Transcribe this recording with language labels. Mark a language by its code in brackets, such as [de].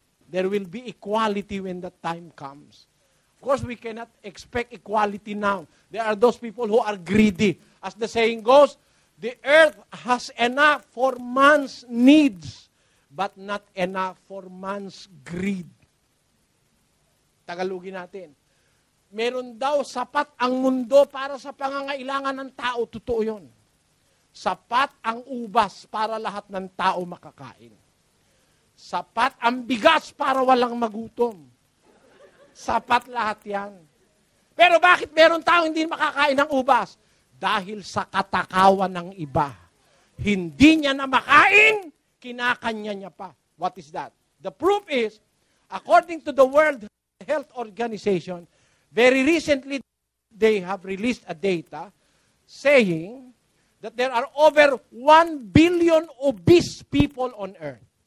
[en] There will be equality when the time comes. Of course, we cannot expect equality now. There are those people who are greedy. As the saying goes, the earth has enough for man's needs, but not enough for man's greed. [tl] Tagalogin natin. Meron daw sapat ang mundo para sa pangangailangan ng tao. Totoo yun. Sapat ang ubas para lahat ng tao makakain. Sapat ang bigas para walang magutom. Sapat lahat yan. Pero bakit meron tao hindi makakain ng ubas? Dahil sa katakawan ng iba. Hindi niya na makain, kinakanya niya pa. [en] What is that? The proof is, according to the World Health Organization, very recently they have released a data saying that there are over 1 billion obese people on earth.